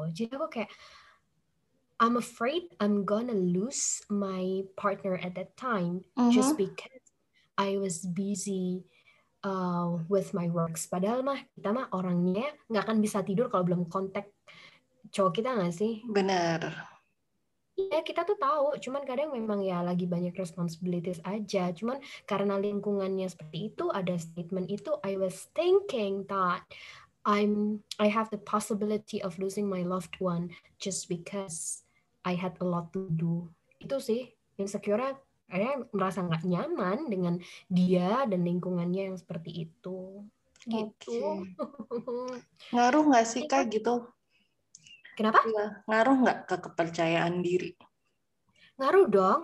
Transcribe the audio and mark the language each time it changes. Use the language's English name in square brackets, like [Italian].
[Indonesian] Jadi aku kayak, [English] I'm afraid I'm gonna lose my partner at that time just because I was busy with my works. [Indonesian] Padahal mah kita mah orangnya nggak akan bisa tidur kalau belum kontak cowok kita nggak sih? Benar. Ya kita tuh tahu, cuman kadang memang ya lagi banyak responsibilities aja. Cuman karena lingkungannya seperti itu, ada statement itu, [English] I was thinking that I have the possibility of losing my loved one just because I had a lot to do. [Indonesian] Itu sih insecure-nya, akhirnya merasa nggak nyaman dengan dia dan lingkungannya yang seperti itu. Gitu. Okay. Ngaruh nggak sih kak gitu? Kenapa? Ngaruh nggak ke kepercayaan diri? Ngaruh dong.